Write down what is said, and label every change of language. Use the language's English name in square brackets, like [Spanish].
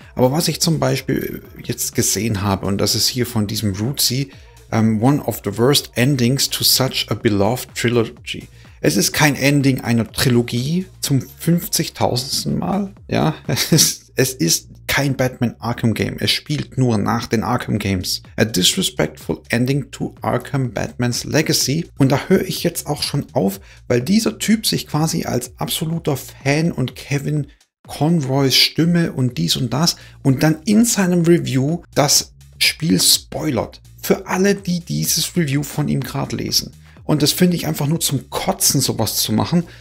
[German] Aber was ich zum Beispiel jetzt gesehen habe, und das ist hier von diesem Rootsy, [English] one of the worst endings to such a beloved trilogy. [German] Es ist kein Ending einer Trilogie zum 50.000. Mal, ja. Es ist kein Batman Arkham Game. Es spielt nur nach den Arkham Games. [English] A disrespectful ending to Arkham Batman's legacy. [German] Und da höre ich jetzt auch schon auf, weil dieser Typ sich quasi als absoluter Fan und Kevin Conroys Stimme und dies und das und dann in seinem Review das Spiel spoilert. Für alle, die dieses Review von ihm gerade lesen. Und das finde ich einfach nur zum Kotzen, sowas zu machen.